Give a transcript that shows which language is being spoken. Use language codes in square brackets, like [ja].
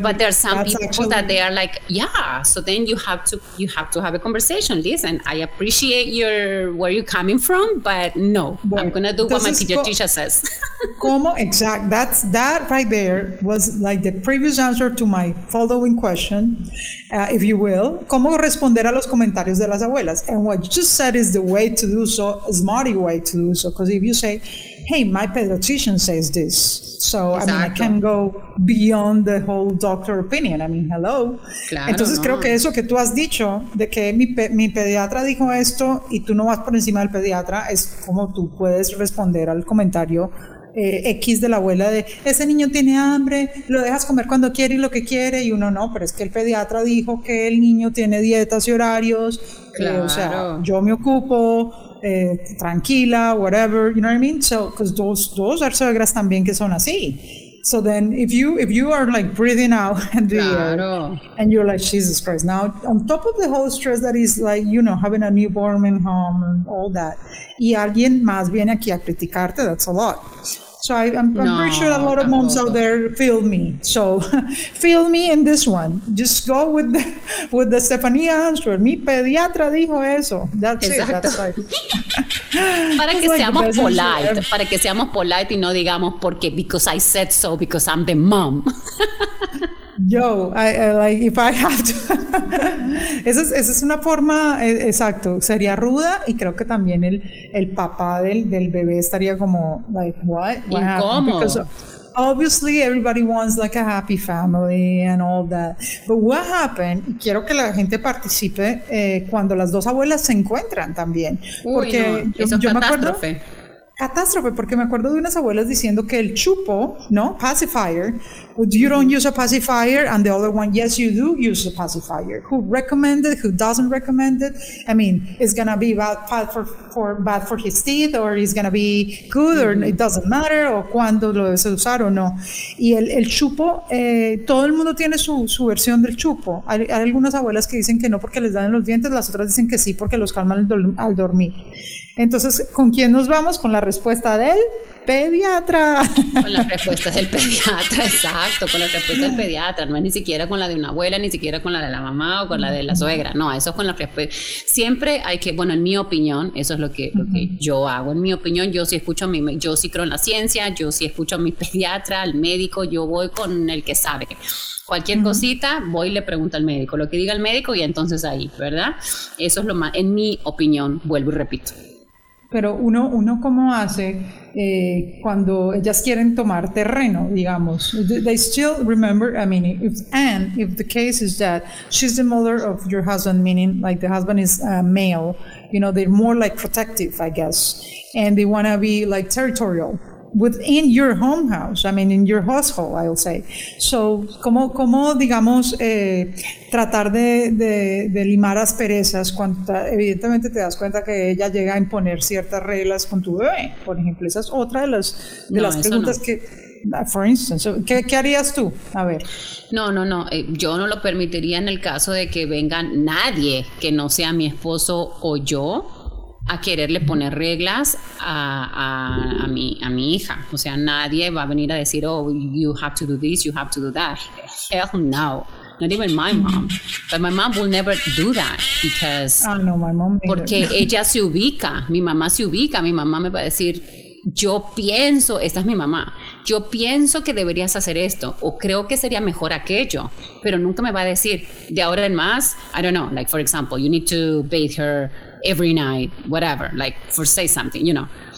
[en] But there are some people that they are like, yeah, so then you have to have a conversation. Listen, I appreciate where you're coming from, but no, [es] bueno, [en] I'm gonna do what my teacher says. [es] ¿Cómo? [en] Exactly. That right there was like the previous answer to my following question, if you will. [es] ¿Cómo responder a los comentarios de las abuelas? [en] And what you just said is the way to do so, a smarty way to do so, because if you say, hey, my pediatrician says this, so [es] exacto. [en] I mean, I can go beyond the whole doctor opinion. I mean, hello. [es] Claro, entonces, no. Creo que eso que tú has dicho, de que mi pediatra dijo esto y tú no vas por encima del pediatra, es como tú puedes responder al comentario X de la abuela de, ese niño tiene hambre, lo dejas comer cuando quiere y lo que quiere, y uno no, pero es que el pediatra dijo que el niño tiene dietas y horarios, claro. O sea, yo me ocupo. Tranquila, [en] whatever, you know what I mean? So, because those are [es] suegras también que son así. [en] So then, if you are like breathing out in the air, and you're like, Jesus Christ, now on top of the whole stress that is like, you know, having a newborn in home and all that, [es] y alguien más viene aquí a criticarte, [en] that's a lot. So I'm pretty sure a lot of moms out there feel me. So feel me in this one. Just go with the Stefania answer. [es] Mi pediatra dijo eso. [en] That's [es] exacto. [en] It. That's right. [es] Para que seamos polite. Para que seamos polite y no digamos porque, [en] because I said so, because I'm the mom. [es] Yo, [en] I like, if I have to. [es] esa es una forma, exacto, sería ruda, y creo que también el papá del bebé estaría como, [en] like, what? [es] ¿Cómo? [en] Because obviously everybody wants like a happy family and all that. But what happened? [es] Quiero que la gente participe cuando las dos abuelas se encuentran también. Uy, porque no, eso es catástrofe. Me acuerdo. Catástrofe, porque me acuerdo de unas abuelas diciendo que el chupo, ¿no? [en] Pacifier, you don't use a pacifier, and the other one, yes, you do use a pacifier. Who recommended, who doesn't recommend it? I mean, it's going to be bad for his teeth, or it's going to be good, or it doesn't matter, [es] o cuándo lo debes usar o no. Y el chupo, todo el mundo tiene su versión del chupo. Hay algunas abuelas que dicen que no porque les dan en los dientes, las otras dicen que sí porque los calman al dormir. Entonces, ¿con quién nos vamos? Con la respuesta del pediatra. Con la respuesta del pediatra, exacto, con la respuesta del pediatra. No es ni siquiera con la de una abuela, ni siquiera con la de la mamá o con la de la suegra. No, eso es con la respuesta. Siempre hay que, bueno, en mi opinión, eso es lo que yo hago. En mi opinión, yo sí creo en la ciencia, yo sí escucho a mi pediatra, al médico, yo voy con el que sabe. Cualquier cosita, voy y le pregunto al médico, lo que diga el médico y entonces ahí, ¿verdad? Eso es lo más, en mi opinión, vuelvo y repito. Pero uno cómo hace cuando ellas quieren tomar terreno, digamos. [en] They still remember, I mean, if the case is that she's the mother of your husband, meaning like the husband is male, you know, they're more like protective, I guess, and they want to be like territorial within your home house, I mean, in your household, I'll say. So, [es] ¿cómo digamos, tratar de limar asperezas cuando evidentemente te das cuenta que ella llega a imponer ciertas reglas con tu bebé, por ejemplo? Esa es otra de las preguntas que... [en] For instance, [es] ¿qué harías tú? A ver. No. Yo no lo permitiría en el caso de que venga nadie que no sea mi esposo o yo a quererle poner reglas a mi hija. O sea, nadie va a venir a decir, [en] oh, you have to do this, you have to do that. Hell no. Not even my mom. But my mom will never do that because... Oh, no, my mom neither. [es] Porque ella se ubica, mi mamá se ubica, mi mamá me va a decir... Yo pienso, esta es mi mamá, yo pienso que deberías hacer esto, o creo que sería mejor aquello, pero nunca me va a decir, de ahora en más, [en] I don't know, like for example, you need to bathe her every night, whatever, like for say something, you know.